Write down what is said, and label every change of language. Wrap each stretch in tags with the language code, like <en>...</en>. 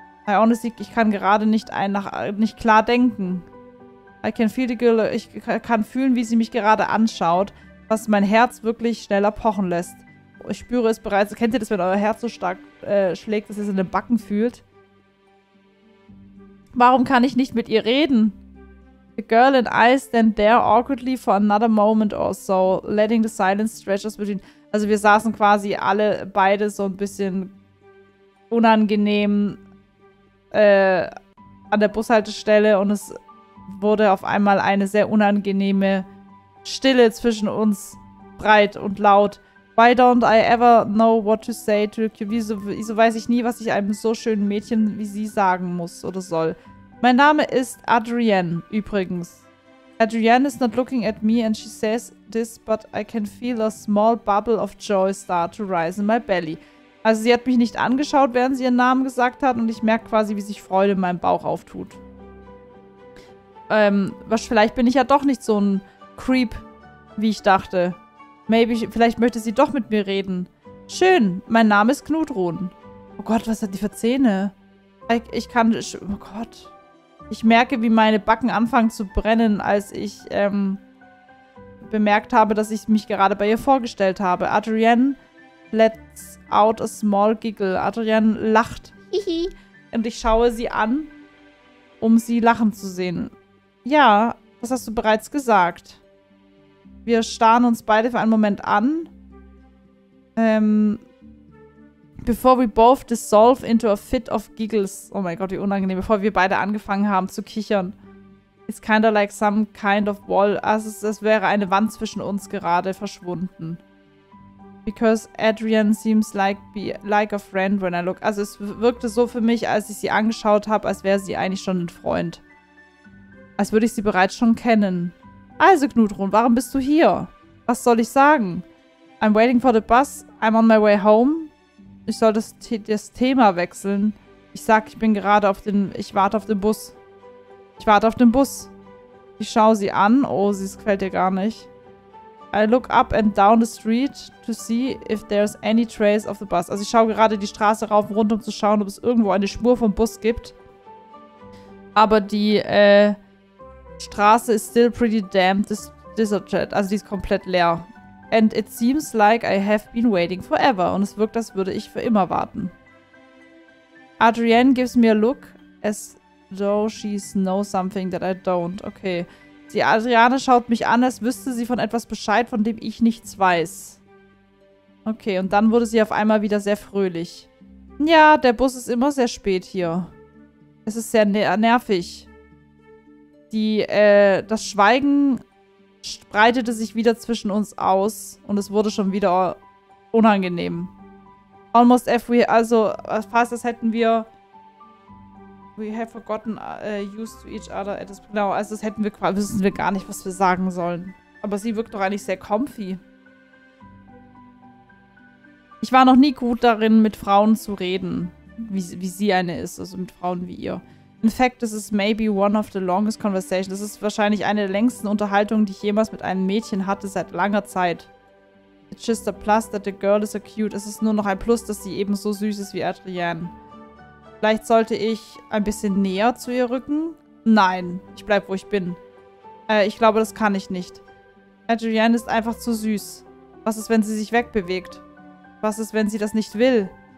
<en>I honestly,</en> <de>ich kann gerade nicht klar denken.</de> <en>I can feel the girl...</en> <de>Ich kann fühlen, wie sie mich gerade anschaut, was mein Herz wirklich schneller pochen lässt. Ich spüre es bereits. Kennt ihr das, wenn euer Herz so stark schlägt, dass ihr es in den Backen fühlt? Warum kann ich nicht mit ihr reden?</de> <en>The girl and I stand there awkwardly for another moment or so, letting the silence stretch us between...</en> <de>Also wir saßen quasi alle beide so ein bisschen unangenehm an der Bushaltestelle und es wurde auf einmal eine sehr unangenehme Stille zwischen uns breit und laut.</de> <en>Why don't I ever know what to say to you?</en> <de>Wieso weiß ich nie, was ich einem so schönen Mädchen wie sie sagen muss oder soll? Mein Name ist Adrienne, übrigens.</de> <en>Adrienne is not looking at me and she says this, but I can feel a small bubble of joy start to rise in my belly.</en> <de>Also sie hat mich nicht angeschaut, während sie ihren Namen gesagt hat und ich merke quasi, wie sich Freude in meinem Bauch auftut. Vielleicht bin ich ja doch nicht so ein Creep, wie ich dachte.</de> <en>Maybe,</en> <de>vielleicht möchte sie doch mit mir reden. Schön, mein Name ist Gnudrun. Oh Gott, was hat die für Zähne? Oh Gott. Ich merke, wie meine Backen anfangen zu brennen, als ich bemerkt habe, dass ich mich gerade bei ihr vorgestellt habe.</de> <en>Adrienne lets out a small giggle.</en> <de>Adrienne lacht. Hihi. Und ich schaue sie an, um sie lachen zu sehen. Ja, das hast du bereits gesagt. Wir starren uns beide für einen Moment an.</de> <en>Before we both dissolve into a fit of giggles.</en> <de>Oh mein Gott, wie unangenehm. Bevor wir beide angefangen haben zu kichern.</de> <en>It's kind of like some kind of wall.</en> <de>Also es wäre eine Wand zwischen uns gerade verschwunden.</de> <en>Because Adrienne seems like a friend when I look.</en> <de>Also es wirkte so für mich, als ich sie angeschaut habe, als wäre sie eigentlich schon ein Freund. Als würde ich sie bereits schon kennen. Also, Gnudrun, warum bist du hier? Was soll ich sagen?</de> <en>I'm waiting for the bus. I'm on my way home.</en> <de>Ich soll das Thema wechseln. Ich sag, ich bin gerade auf den... Ich warte auf den Bus. Ich warte auf den Bus. Ich schaue sie an. Oh, sie gefällt dir gar nicht.</de> <en>I look up and down the street to see if there's any trace of the bus.</en> <de>Also, ich schaue gerade die Straße rauf und rund, um zu schauen, ob es irgendwo eine Spur vom Bus gibt. Aber die, Straße ist</de> <en>still pretty damn deserted.</en> <de>Also die ist komplett leer.</de> <en>And it seems like I have been waiting forever.</en> <de>Und es wirkt, als würde ich für immer warten.</de> <en>Adrienne gives me a look as though she knows something that I don't. Okay.</en> <de>Die Adrienne schaut mich an, als wüsste sie von etwas Bescheid, von dem ich nichts weiß. Okay, und dann wurde sie auf einmal wieder sehr fröhlich. Ja, der Bus ist immer sehr spät hier. Es ist sehr nervig. Das Schweigen breitete sich wieder zwischen uns aus und es wurde schon wieder unangenehm.</de> <en>Almost if we,</en> <de>also fast als hätten wir,</de> <en>we have forgotten used to each other.</en> <de>Genau, also das hätten wir, wissen wir gar nicht, was wir sagen sollen. Aber sie wirkt doch eigentlich sehr comfy. Ich war noch nie gut darin, mit Frauen zu reden, wie sie eine ist, also mit Frauen wie ihr.</de> <en>In fact, this is maybe one of the longest conversations.</en> <de>Das ist wahrscheinlich eine der längsten Unterhaltungen, die ich jemals mit einem Mädchen hatte, seit langer Zeit.</de> <en>It's just a plus that the girl is so cute.</en> <de>Es ist nur noch ein Plus, dass sie eben so süß ist wie Adrienne. Vielleicht sollte ich ein bisschen näher zu ihr rücken? Nein, ich bleib, wo ich bin. Ich glaube, das kann ich nicht. Adrienne ist einfach zu süß. Was ist, wenn sie sich wegbewegt? Was ist, wenn sie das nicht will?</de>